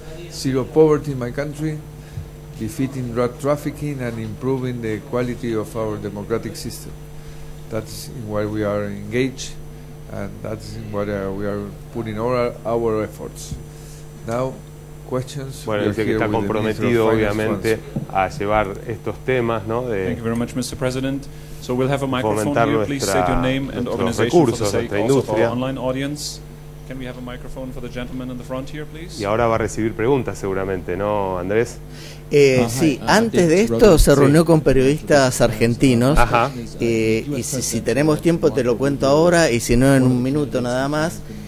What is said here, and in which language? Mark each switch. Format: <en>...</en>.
<en>Zero poverty in my country, defeating drug trafficking and improving the quality of our democratic system. That's in what we are engaged and that's in what we are putting all our efforts. Now, questions.</en> <es>Bueno, dice que está comprometido obviamente a llevar estos temas, ¿no?</es> <en>Thank you very much, Mr. President. So we'll have a microphone here. Please state your name and organization</en> <es>recursos,</es> <en>for the sake also for our online audience. Can we have a microphone for the gentleman in the front here, please?</en> <es>Y ahora va a recibir preguntas seguramente, ¿no, Andrés? Sí, antes de esto se reunió con periodistas argentinos. Ajá. Y si tenemos tiempo te lo cuento ahora y si no en un minuto nada más.</es>